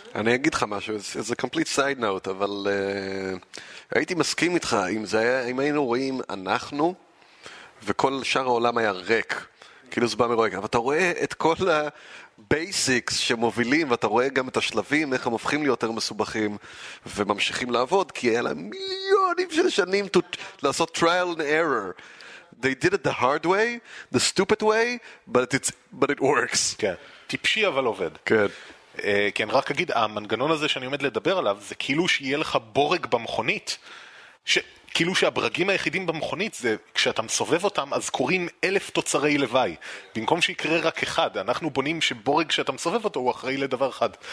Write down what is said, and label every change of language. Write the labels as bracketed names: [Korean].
[Hebrew] אני אגיד לך משהו, זה [English] קומפליט סייד נאוט, [Hebrew] אבל הייתי מסכים איתך, אם היינו רואים אנחנו, וכל שאר העולם היה ריק, כאילו זה בא מרועק, אבל אתה רואה את כל ה... basics שמובילים, ואתה רואה גם את השלבים, איך הם הופכים ליותר מסובכים וממשיכים לעבוד, כי היה להם מיליונים של שנים לעשות [English] trial and error. They did it the hard way, the stupid way, but it works. [Hebrew] כן. טיפשי אבל עובד. כן. כן, רק אגיד, המנגנון הזה שאני עומד לדבר עליו, זה כאילו שיהיה לך בורג במכונית, כאילו שהברגים היחידים במכונית זה כשאתה מסובב אותם, אז קוראים 1,000 תוצרי לוואי. במקום שיקרה רק אחד, אנחנו בונים שבורג שאתה מסובב אותו הוא אחראי לדבר אחד.